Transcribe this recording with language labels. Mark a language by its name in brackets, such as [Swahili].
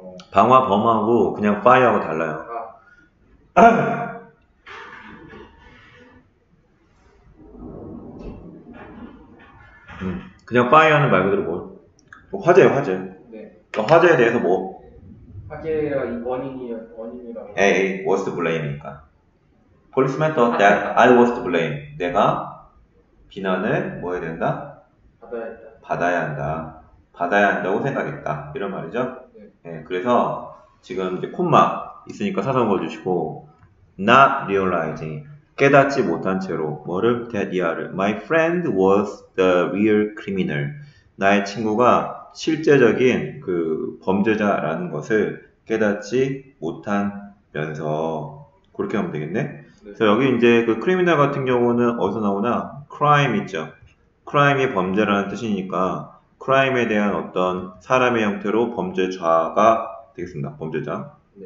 [Korean] 방화범하고 그냥 파이어하고 달라요. 그냥 파이어는 말 그대로 뭐 화재예요, 화재. 화재에 대해서 뭐? 화재가 원인이라고. [English] A was to blame이니까. Policeman thought that I was to blame. [Korean] 내가 비난을 뭐 해야 된다? 받아야 한다. 받아야 한다고 생각했다. 이런 말이죠. 예, 그래서 지금 이제 콤마 있으니까 사선 그어주시고 not realizing. 깨닫지 못한 채로 뭐를 대디아를 [English] My friend was the real criminal. [Korean] 나의 친구가 실제적인 그 범죄자라는 것을 깨닫지 못하면서 그렇게 하면 되겠네. 그래서 여기 이제 그 criminal 같은 경우는 어디서 나오나? crime 있죠. crime이 범죄라는 뜻이니까 crime에 대한 어떤 사람의 형태로 범죄자가 되겠습니다. 범죄자.